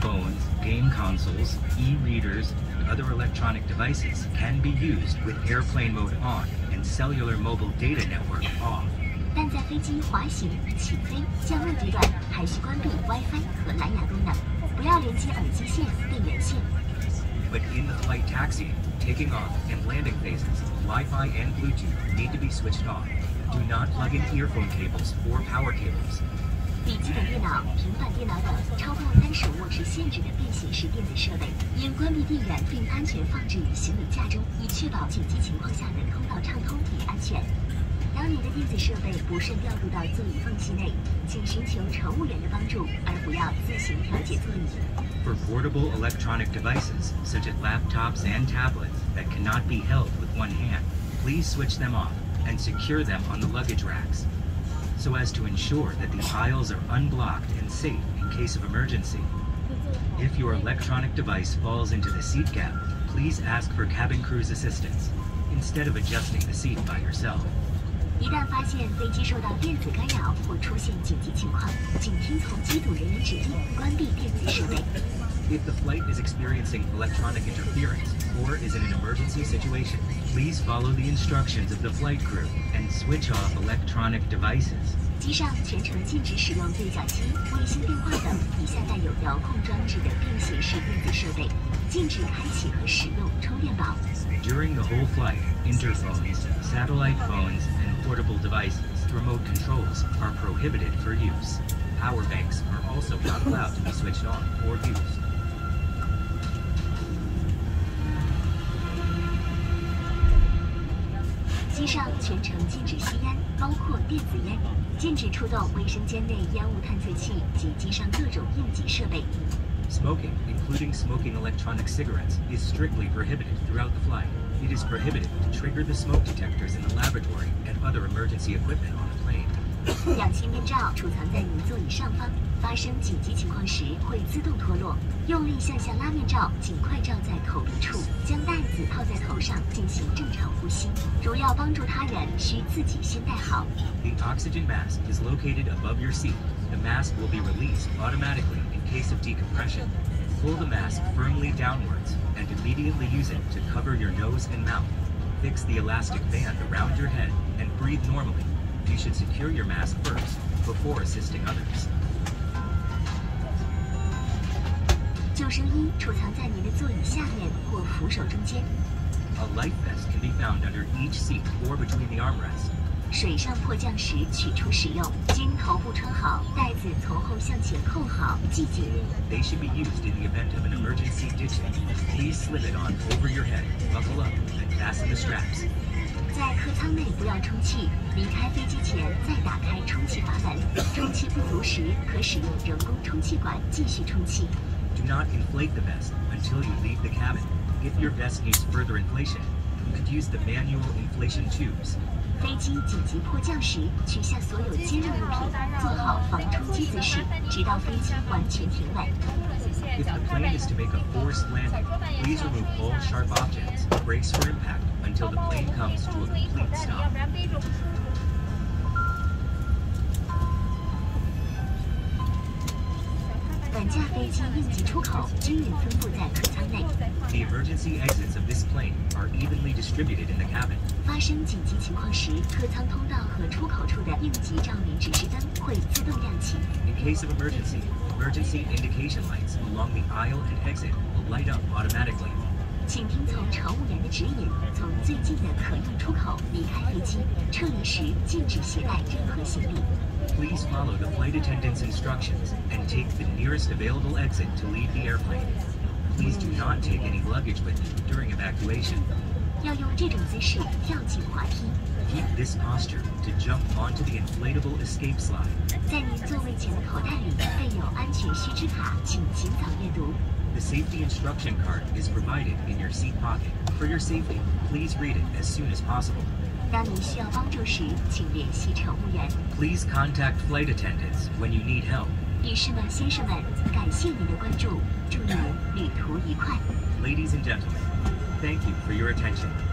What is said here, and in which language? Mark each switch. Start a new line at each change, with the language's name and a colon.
English: phones, game consoles, e-readers, and other electronic devices can be used with airplane mode on and cellular mobile data network off.
Chinese: 但在飞机滑行、起飞、降落阶段，还是关闭 WiFi 和蓝牙功能，不要连接耳机线、电源线。
English: But in the flight taxi, taking off and landing phases, Wi-Fi and Bluetooth need to be switched off. Do not plug in earphone cables or power cables.
Chinese: 笔记本电脑、平板电脑等超过30瓦时限制的便携式电子设备，应关闭电源并安全放置于行李架中，以确保紧急情况下的通道畅通与安全。当你的电子设备不慎掉入到座椅缝隙内，请寻求乘务员的帮助，而不要自行调节座椅。
English: For portable electronic devices, such as laptops and tablets, that cannot be held with one hand, please switch them off and secure them on the luggage racks, so as to ensure that the aisles are unblocked and safe in case of emergency. If your electronic device falls into the seat gap, please ask for cabin crew's assistance, instead of adjusting the seat by yourself.
Chinese: 一旦发现飞机受到电子干扰或出现紧急情况，请听从机组人员指令关闭电子设备。
English: If the flight is experiencing electronic interference or is in an emergency situation, please follow the instructions of the flight crew and switch off electronic devices.
Chinese: 机上全程禁止使用对讲机、卫星电话等以下带有遥控装置的便携式电子设备，禁止开启和使用充电宝。
English: During the whole flight, interphones, satellite phones, and portable devices, remote controls are prohibited for use. Power banks are also not allowed to be switched on or used.
Chinese: 机上全程禁止吸烟，包括电子烟，禁止触动卫生间内烟雾探测器及机上各种应急设备。
English: Smoking, including smoking electronic cigarettes, is strictly prohibited throughout the flight. It is prohibited to trigger the smoke detectors in the laboratory and other emergency equipment on the plane.
Chinese: 氧气面罩储藏在您座椅上方，发生紧急情况时会自动脱落。用力向下拉面罩，尽快罩在口鼻处，将袋子套在头上，进行正常呼吸。如要帮助他人，需自己先戴好。
English: The oxygen mask is located above your seat. The mask will be released automatically in case of decompression. Pull the mask firmly downwards and immediately use it to cover your nose and mouth. Fix the elastic band around your head and breathe normally. You should secure your mask first before assisting others.
Chinese: 救生衣储藏在您的座椅下面或扶手中间。
English: A life vest can be found under each seat or between the armrests.
Chinese: 水上迫降时取出使用，经头部穿好，袋子从后向前扣好，系紧。
English: They should be used in the event of an emergency ditching. Please slip it on over your head, buckle up, and fasten the straps.
Chinese: 在客舱内不要充气，离开飞机前再打开充气阀门，充气不足时可使用人工充气管继续充气。
English: Do not inflate the vest until you leave the cabin. If your vest needs further inflation, you could use the manual inflation tubes.
Chinese: 飞机紧急迫降时，取下所有尖锐物品，做好防冲击姿势，直到飞机完全停稳。
English: If the plane is to make a forced landing, please remove all sharp objects, brakes for impact, until the plane comes to a complete stop.
Chinese: 本架飞机应急出口均匀分布在客舱内。
English: The emergency exits of this plane are evenly distributed in the cabin.
Chinese: 发生紧急情况时，客舱通道和出口处的应急照明指示灯会自动亮起。
English: In case of emergency,Emergency indication lights along the aisle and exit will light up automatically.
Chinese: 请听从乘务员的指引，从最近的可用出口离开飞机。撤离时禁止携带任何行李。
English: Please follow the flight attendant's instructions and take the nearest available exit to leave the airplane. Please do not take any luggage with you during evacuation.
Chinese: 要用这种姿势跳进滑梯。
English: Keep this posture to jump onto the inflatable escape slide.
Chinese: 在您座位前的口袋里备有安全须知卡，请尽早阅读。
English: The safety instruction card is provided in your seat pocket. For your safety, please read it as soon as possible.
Chinese: 当您需要帮助时，请联系乘务员。
English: Please contact flight attendants when you need help.
Chinese: 女士们、先生们，感谢您的关注，祝您旅途愉快。
English: Ladies and gentlemen, thank you for your attention.